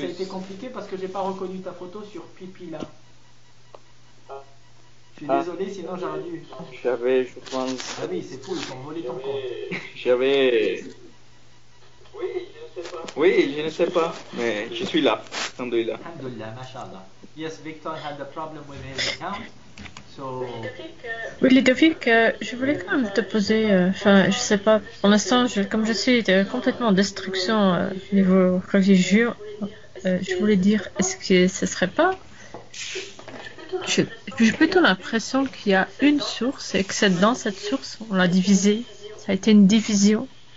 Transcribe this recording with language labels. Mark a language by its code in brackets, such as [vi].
[fr] Ça a été compliqué parce que j'ai pas reconnu ta photo sur Pipi là. Je suis désolé, sinon j'aurais dû. J'avais, je pense. Ah oui, c'est fou, ils ont volé ton compte. Oui, je ne sais pas, mais je suis là. [ar] Alhamdulillah, mashallah. [en] Yes, Victor had a problem with his account. [fr] Oui, Ludovic, je voulais quand même te poser, enfin, je sais pas, pour l'instant, comme je suis complètement en destruction au niveau religieux, je voulais dire, est-ce que ce serait pas. J'ai plutôt l'impression qu'il y a une source et que c'est dans cette source, on l'a divisée, ça a été une division.